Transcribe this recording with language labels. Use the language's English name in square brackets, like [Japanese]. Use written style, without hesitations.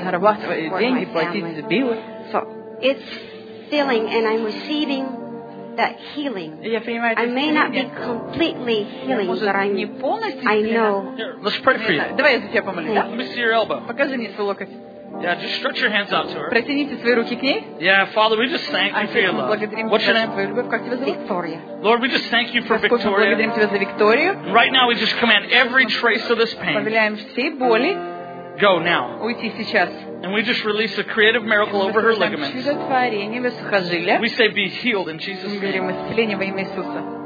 [Russian] зарабатываю деньги, платить за билы. [English] So it's feeling, and I'm receiving that healing. [Russian] Я понимаю, [English] I may not be completely healing, [Russian] может, [English] but I'm. [Russian] Не полностью. [English] I know. Here, let's pray for you. [Russian] Давай я за тебя помолюсь. [English] Let me see your elbow. [Russian] Покажи мне свой локоть. [English] Yeah, just stretch your hands out to her. [Russian] Протяните свои руки к ней. [English] Yeah, Father, we just thank you for your love. What's your name? Victoria. Lord, we just thank you for Victoria. [Russian] Благодарим тебя за Викторию. [English] Right now, we just command every trace of this pain. [Russian] Повеляем все боли. [English] Go now. [Russian] Уйти сейчас. [English] And we just release a creative miracle over her ligaments. [Russian] Чудотворение в сухожилиях. [English] We say, be healed in Jesus' name. [Russian] Говорим исцеление во имя Иисуса.